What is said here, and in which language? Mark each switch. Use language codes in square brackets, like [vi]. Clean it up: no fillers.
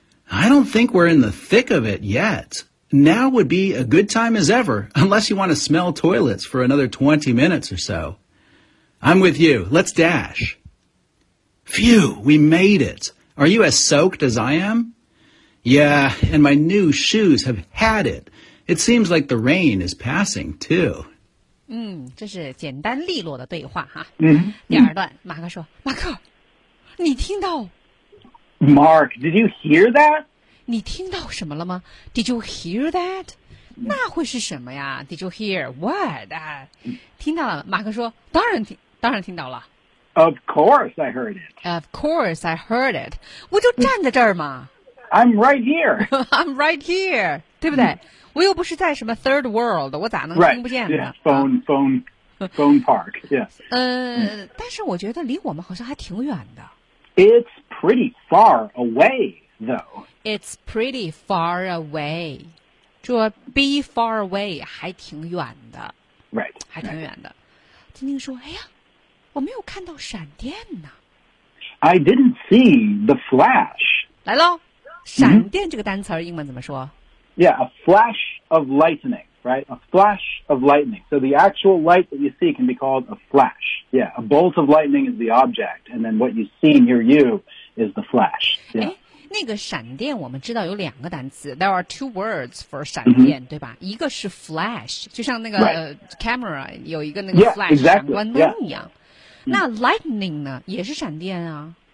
[en] I don't think we're in the thick of it yet. Now would be a good time as ever, unless you want to smell toilets for another 20 minutes or so. I'm with you. Let's dash. Phew, we made it. Are you as soaked as I am? Yeah, and my new shoes have had it. It seems like the rain is passing, too. [zh] 这是简单利落的对话哈。第二段，马克说：“马克，你听到 [en] ？”Mark, did you hear that？ [zh] 你听到什么了吗 ？ [en] Did you hear that？ [zh] 那会是什么呀 ？ [en] Did you hear what？ [zh] 听到了，马克说：“当然听到了。 [en] ”Of course, I heard it. Of course, I heard it. [zh] 我就站在这儿嘛。 [en] I'm right here. I'm right here. [zh] 对不对？我又不是在什么 [en] third world， [zh] 我咋能听不见呢 [en] right, yeah, phone park, yes. [zh] 但是我觉得离我们好像还挺远的。 [en] It's pretty far away, though. It's pretty far away. 这 be far away [zh] 还挺远的。 [en] Right. [zh] 还挺远的。 [en] Right. [zh] 晶晶说，哎呀，我没有看到闪电呢。 [en] I didn't see the flash. [zh] 来喽，闪电这个单词儿英文怎么说？ [en] Yeah, a flash of lightning, right? A flash of lightning. So the actual light that you see can be called a flash. Yeah, a bolt of lightning is the object, and then what you see near you is the flash. Yeah. [zh] 那个闪电我们知道有两个单词 [en] There are two words for [zh] 闪电、对吧一个是 flash, 就像那个、camera 有一个那个 flash 闪光灯一样、那 lightning 呢也是闪电啊、